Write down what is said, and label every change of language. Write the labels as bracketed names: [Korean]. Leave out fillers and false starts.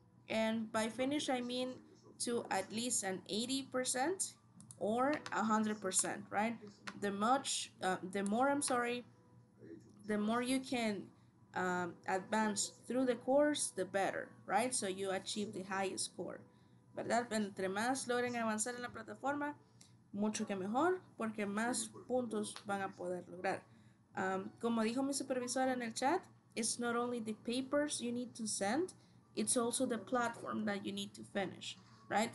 [English] And by finish, I mean to at least an 80% or 100%, right? The more you can advance through the course, the better, right? So you achieve the highest score, [Spanish] ¿verdad? Entre más logren avanzar en la plataforma, mucho que mejor, porque más puntos van a poder lograr. Como dijo mi supervisora en el chat, [English] it's not only the papers you need to send, it's also the platform that you need to finish, right?